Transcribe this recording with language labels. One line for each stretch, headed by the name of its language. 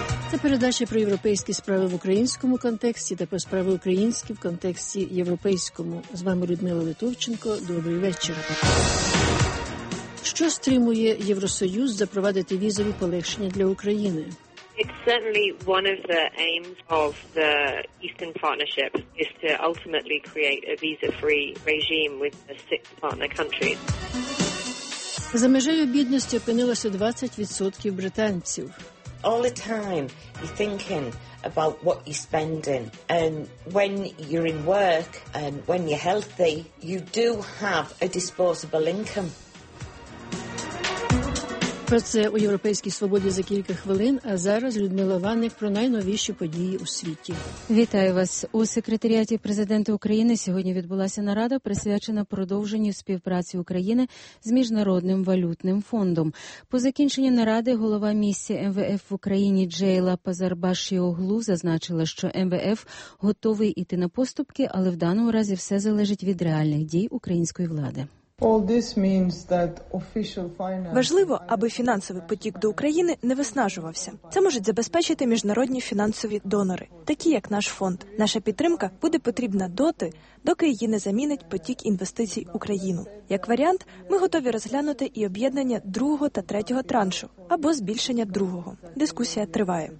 Ukrainian: Це передача про європейські справи в українському контексті та про справи українські в контексті європейському. З вами Людмила Литовченко. Добрий вечір. Що стримує Євросоюз запровадити візові полегшення для України?
English: It's certainly one of the aims of the Eastern Partnership is to ultimately create a visa-free regime with the six partner countries.
Ukrainian: За межею бідності опинилося 20% британців.
English: All the time you're thinking about what you're spending, and when you're in work and when you're healthy, you do have a disposable income.
Ukrainian: Про це у «Європейській свободі» за кілька хвилин, а зараз Людмила Ванник про найновіші події у світі. Вітаю вас. У секретаріаті президента України сьогодні відбулася нарада, присвячена продовженню співпраці України з Міжнародним валютним фондом. По закінченні наради голова місії МВФ в Україні Джейла Пазарбашіоглу зазначила, що МВФ готовий іти на поступки, але в даному разі все залежить від реальних дій української влади.
English: All this means that official finance...
Ukrainian: Важливо, аби фінансовий потік до України не виснажувався. Це можуть забезпечити міжнародні фінансові донори, такі як наш фонд. Наша підтримка буде потрібна доти, доки її не замінить потік інвестицій в Україну. Як варіант, ми готові розглянути і об'єднання другого та третього траншу, або збільшення другого. Дискусія триває.